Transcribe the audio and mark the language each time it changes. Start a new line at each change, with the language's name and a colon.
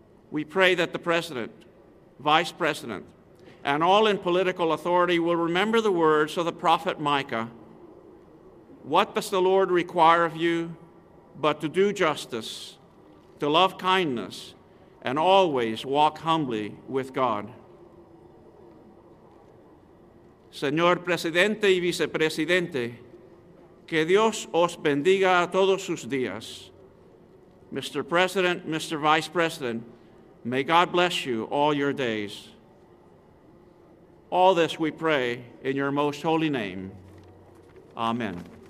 English: We pray that the President, Vice President, and all in political authority will remember the words of the prophet Micah. What does the Lord require of you but to do justice, to love kindness, and always walk humbly with God?
Spanish: Señor Presidente y Vicepresidente, que Dios os bendiga a todos sus días.
English: Mr. President, Mr. Vice President, may God bless you all your days. All this we pray in your most holy name. Amen.